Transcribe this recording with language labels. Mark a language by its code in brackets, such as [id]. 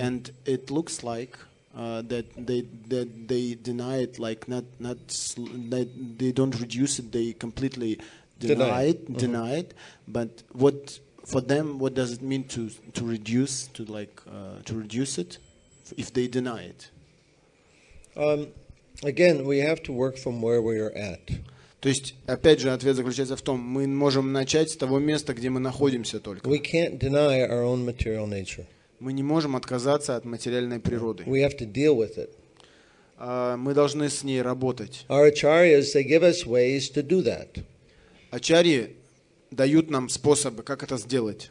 [en] And it looks like. That they deny it, like not that they don't reduce it, they completely deny it. But what for them? What does it mean to reduce it, if they deny it? Again, we have to work from where we are at. [ru] То есть, опять же, ответ заключается в том, мы можем начать с того места, где мы находимся только. [en] We can't deny our own material nature. [ru] Мы не можем отказаться от материальной природы. [en] We have to deal with it. [ru] Мы должны с ней работать. [en] Our acharyas, they give us ways to do that. [ru] Ачарьи дают нам способы, как это сделать.